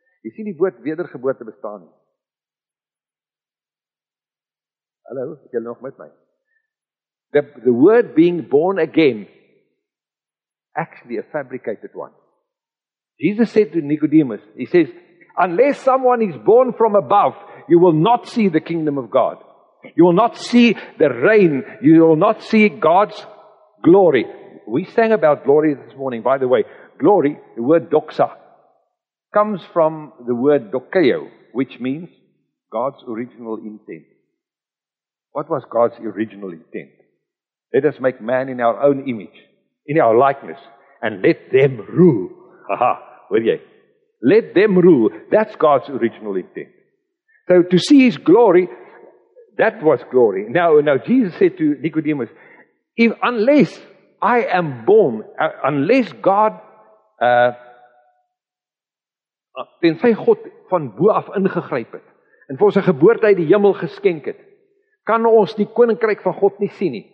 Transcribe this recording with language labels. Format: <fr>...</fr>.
<af>Jy sien die woord wedergeboorte bestaan nie. Hallo, is jy nog met my?</af> <en>The word being born again, actually a fabricated one. Jesus said to Nicodemus, he says, unless someone is born from above, you will not see the kingdom of God. You will not see the reign. You will not see God's glory. We sang about glory this morning, by the way. Glory, the word doxa, comes from the word dokeo, which means God's original intent. What was God's original intent? Let us make man in our own image, in our likeness, and let them rule. Aha, will ye? Let them rule. That's God's original intent. So to see his glory, that was glory. Now Jesus said to Nicodemus, unless I am born, unless God</en> <af>tensy God van bo af ingegryp het en vir sy geboorte uit die hemel geskenk het, kan ons die koninkryk van God nie sien nie.</af>